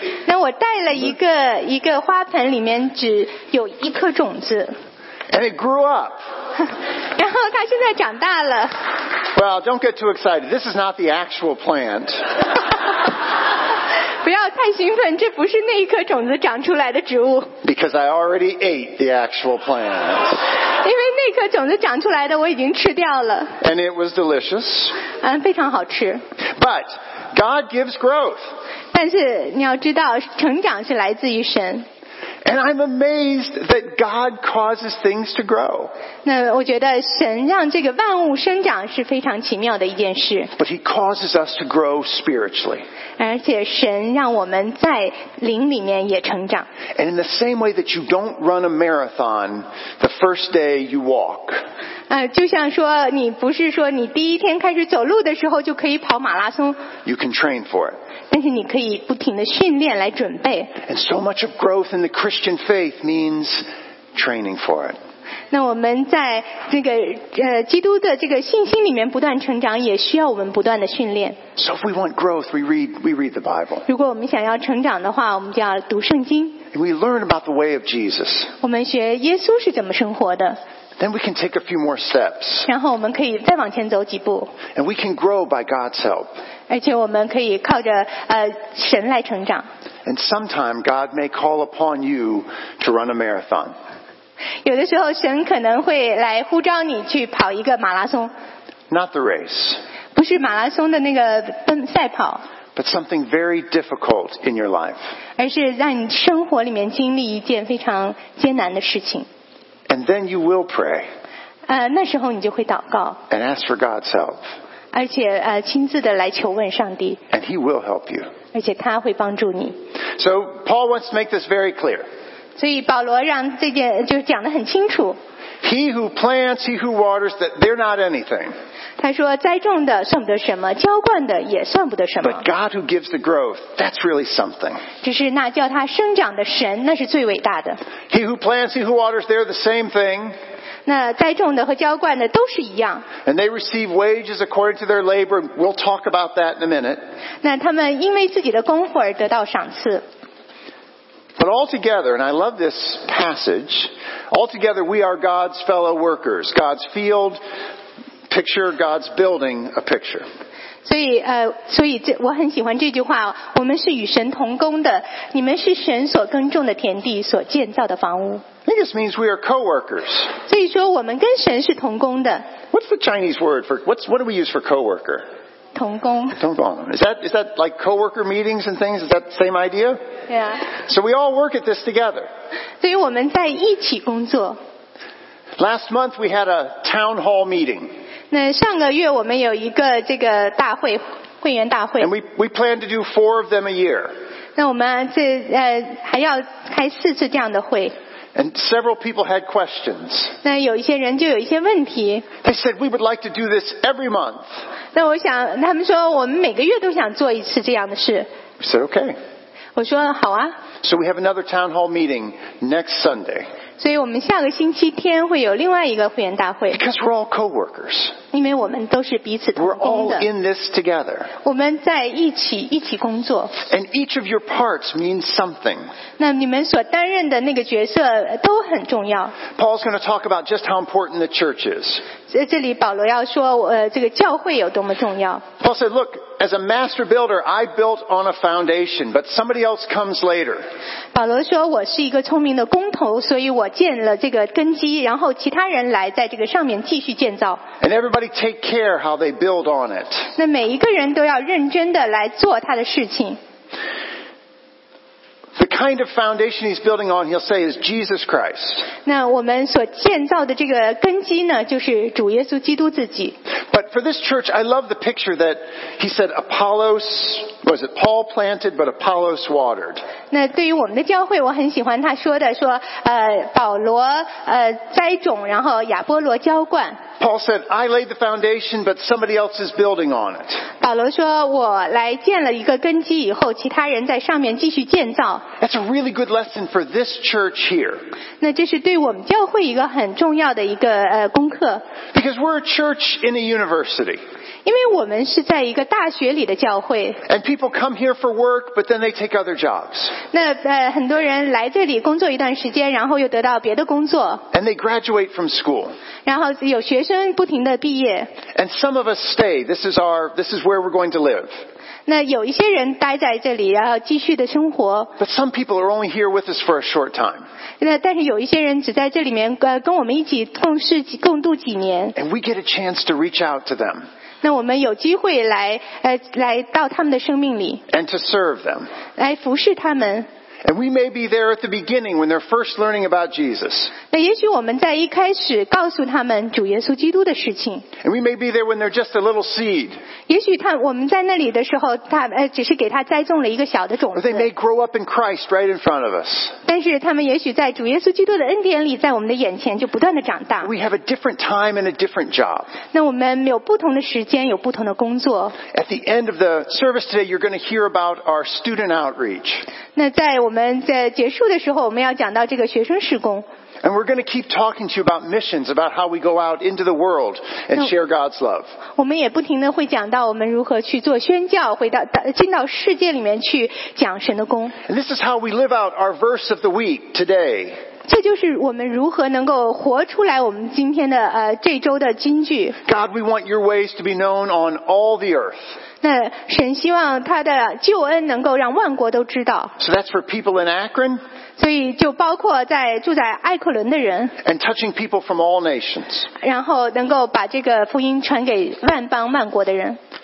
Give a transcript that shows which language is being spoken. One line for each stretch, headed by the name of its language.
Chinese: 那我带了一个花盆，里面只有一颗种子。
English: And it grew up.
Chinese: 然后它现在长大了。
English: Well, don't get too excited. This is not the actual plant.
Chinese: 不要太兴奋，这不是那一颗种子长出来的植物。
English: Because I already ate the actual plant.
Chinese: 因为那颗种子长出来的我已经吃掉了。
English: And it was delicious.
Chinese: 非常好吃。
English: But God gives growth.
Chinese: 但是你要知道，成长是来自于神。
English: And I'm amazed that God causes things to grow.
Chinese: 那我觉得神让这个万物生长是非常奇妙的一件事。
English: But He causes us to grow spiritually.
Chinese: 而且神让我们在灵里面也成长。
English: And in the same way that you don't run a marathon the first day you walk.
Chinese: 就像说你不是说你第一天开始走路的时候就可以跑马拉松。
English: You can train for it.
Chinese: 但是你可以不停的训练来准备。
English: And so much of growth in the Christian faith means training for it.
Chinese: 那我们在这个基督的这个信心里面不断成长，也需要我们不断的训练。
English: So if we want growth, we read the Bible.
Chinese: 如果我们想要成长的话，我们就要读圣经。
English: And we learn about the way of Jesus.
Chinese: 我们学耶稣是怎么生活的。
English: Then we can take a few more steps.
Chinese: 然后我们可以再往前走几步。
English: And we can grow by God's help.
Chinese: 而且我们可以靠着神来成长。
English: And sometime God may call upon you to run a marathon.
Chinese: 有的时候神可能会来呼召你去跑一个马拉松。
English: Not the race.
Chinese: 不是马拉松的那个赛跑。
English: But something very difficult in your life.
Chinese: 而是在你生活里面经历一件非常艰难的事情。
English: And then you will pray.
Chinese: 那时候你就会祷告。
English: And ask for God's help.
Chinese: 而且亲自的来求问上帝。
English: And He will help you.
Chinese: 而且他会帮助你。
English: So Paul wants to make this very clear.
Chinese: 所以保罗让这件就是讲得很清楚。
English: He who plants, he who waters, that they're not anything.
Chinese: 他说栽种的算不得什么，浇灌的也算不得什么。
English: But God who gives the growth, that's really something.
Chinese: 就是那叫他生长的神，那是最伟大的。
English: He who plants, he who waters, they're the same thing.
Chinese: 那栽种的和浇灌的都是一样。
English: And they receive wages according to their labor. We'll talk about that in a minute.
Chinese: 那他们因为自己的工作而得到赏赐。
English: But altogether, and I love this passage, altogether we are God's fellow workers. God's field, picture God's building a picture.
Chinese: 所以这我很喜欢这句话，我们是与神同工的，你们是神所耕种的田地，所建造的房屋。
English: It just means we are co-workers.
Chinese: 所以说我们跟神是同工的。
English: What's the Chinese word for, what do we use for co-worker?
Chinese: 同工
English: is that like co-worker meetings and things? Is that the same idea? Yeah. So we all work at this together.
Chinese: 所以我们在一起工作。
English: Last month we had a town hall meeting.
Chinese: 那上个月我们有一个这个大会，会员大会。
English: And we plan to do 4 of them a year.
Chinese: 那我们这还要开4次这样的会。
English: And several people had questions.
Chinese: 那有一些人就有一些问题。
English: They said we would like to do this every month.
Chinese: 那我想，他们说我们每个月都想做一次这样的事。
English: I said okay.
Chinese: 我说好啊。
English: So we have another town hall meeting next Sunday.
Chinese: 所以我们下个星期天会有另外一个会员大会。
English: Because we're all co-workers.
Chinese: 因为我们都是彼此同工的。
English: We're all in this together.
Chinese: 我们在一起工作。
English: And each of your parts means something.
Chinese: 那你们所担任的那个角色都很重要。
English: Paul's going to talk about just how important the church is.
Chinese: 这里保罗要说这个教会有多么重要。
English: Paul said, look, as a master builder, I built on a foundation, but somebody else comes later.
Chinese: 保罗说我是一个聪明的工头，所以我建了这个根基，然后其他人来在这个上面继续建造。
English: And everybody take care how they build on it.
Chinese: 那每一个人都要认真的来做他的事情。
English: The kind of foundation he's building on, he'll say, is Jesus Christ.
Chinese: 那我们所建造的这个根基呢，就是主耶稣基督自己。
English: But for this church, I love the picture that he said Apollos, was it Paul planted, but Apollos watered.
Chinese: 那对于我们的教会，我很喜欢他说的，说保罗栽种，然后亚波罗浇灌。
English: Paul said, I laid the foundation, but somebody else is building on it.
Chinese: 保罗说我来建了一个根基以后，其他人在上面继续建造。
English: That's a really good lesson for this church here.
Chinese: 那这是对我们教会一个很重要的一个功课。
English: Because we're a church in a university.
Chinese: 因为我们是在一个大学里的教会。
English: And people come here for work, but then they take other jobs.
Chinese: 那很多人来这里工作一段时间，然后又得到别的工作。
English: And they graduate from school.
Chinese: 然后有学生不停地毕业。
English: And some of us stay. This is where we're going to live.
Chinese: 那有一些人待在这里，然后继续的生活。
English: But some people are only here with us for a short time.
Chinese: 那但是有一些人只在这里面跟我们一起共度几年。
English: And we get a chance to reach out to them.
Chinese: 那我们有机会来到他们的生命里。
English: And to serve them.
Chinese: 来服侍他们。
English: And we may be there at the beginning when they're first learning about Jesus.
Chinese: 那也许我们在一开始告诉他们主耶稣基督的事情。
English: And we may be there when they're just a little seed.
Chinese: 也许我们在那里的时候，只是给他栽种了一个小的种子。
English: Or they may grow up in Christ right in front of us.
Chinese: 但是他们也许在主耶稣基督的恩典里，在我们的眼前就不断的长大。
English: We have a different time and a different job.
Chinese: 那我们有不同的时间，有不同的工作。
English: At the end of the service today, you're going to hear about our student outreach.
Chinese: 那在我们在结束的时候，我们要讲到这个学生事工。
English: And we're going to keep talking to you about missions, about how we go out into the world and share God's love.
Chinese: 我们也不停地会讲到我们如何去做宣教，进到世界里面去讲神的功。
English: And this is how we live out our verse of the week today.
Chinese: 这就是我们如何能够活出来我们今天的这周的金句。
English: God, we want your ways to be known on all the earth.
Chinese: 那神希望他的救恩能够让万国都知道。
English: So that's for people in Akron.
Chinese: 所以就包括在住在艾克伦的人。
English: And touching people from all nations.
Chinese: 然后能够把这个福音传给万邦万国的人。